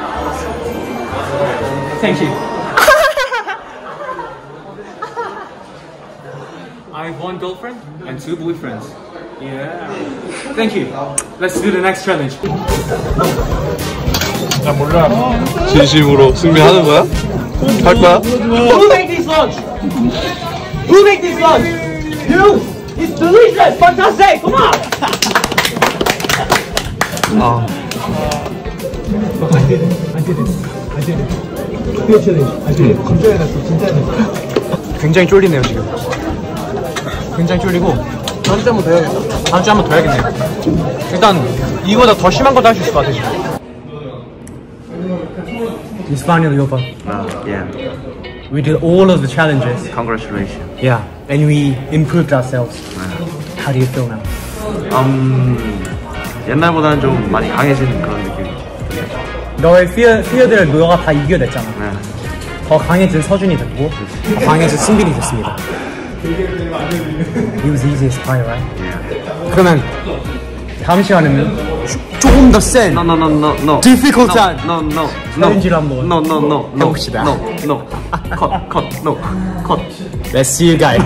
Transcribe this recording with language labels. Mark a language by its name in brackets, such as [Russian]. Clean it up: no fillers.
[English] Thank you. I have one girlfriend and two boyfriends. Yeah. Thank you. Let's do the next challenge. [Korean] 나 몰라. 진심으로 승리하는 거야? 할 거야? [English] Who made this lunch? Who made this lunch? You! It's delicious! Fantastic! Come on! 아. I did it. [Korean] 굉장히 쫄리네요, 지금. 굉장히 쫄리고. 다음 주에 한번 더 해야겠다. 다음 주에 한번 더 해야겠네요. 일단, 이거보다 더 심한 것도 하실 것 같아, 지금. [English] It's finally over. Yeah. We did all of the challenges. Congratulations. Yeah. And we improved ourselves. Yeah. How do you feel now? [Korean] 옛날보다는 좀 많이 강해진 그런 느낌. 너의 fear들 너가 다 이겨냈잖아. [English] Yeah. [Korean] 더 강해진 서준이 됐고, 더 강해진 승빈이 됐습니다. [English] It was the easiest part, right? Yeah. [Korean] 그러면 다음 시간에는 조금 더 센! [English] No. Difficult time! No. [Korean] 챌린지를 한번 [English] No. [Korean] 해봅시다. [English] No. Cut. Let's see you guys.